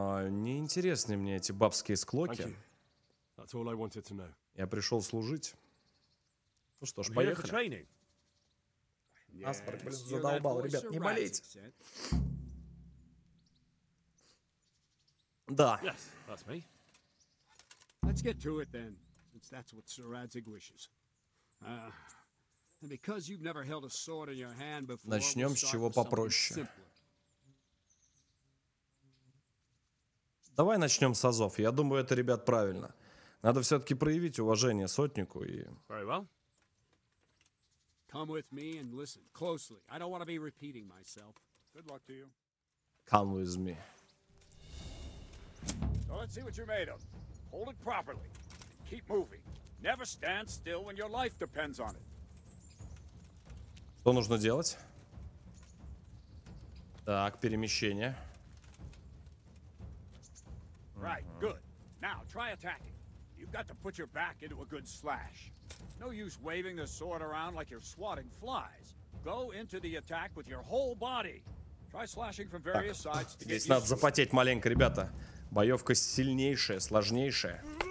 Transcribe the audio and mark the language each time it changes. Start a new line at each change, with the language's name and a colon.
Russian: Неинтересны мне эти бабские склоки.
English: That's all I wanted to know.
Russian: Я пришел служить. Ну что ж, поехали.
English: Yes,
Russian: задолбал, ребят, не болейте. Да.
English: Yes, that's me. Let's get to it then, since that's what Sir Radzig wishes. And because you've never held a sword in your hand before,
Russian: начнем с чего попроще. Давай начнем с азов. Я думаю, это, ребят, правильно. Надо все-таки проявить уважение сотнику и...
English: Very well. Come with me and listen closely. I don't want to be repeating myself. Good luck to you. Come with me. So let's see what you're made of. Hold it properly. Keep moving. Never stand still when your life depends on it.
Russian: Что нужно делать? Так, перемещение.
English: Right, good. Now, try attacking. You've got to put your back into a good slash. No use waving the sword around like you're swatting flies. Go into the attack with your whole body. Try slashing from various
Russian: так,
English: sides to get used to it.
Russian: Здесь надо запотеть маленько, ребята. Боевка сильнейшая, сложнейшая.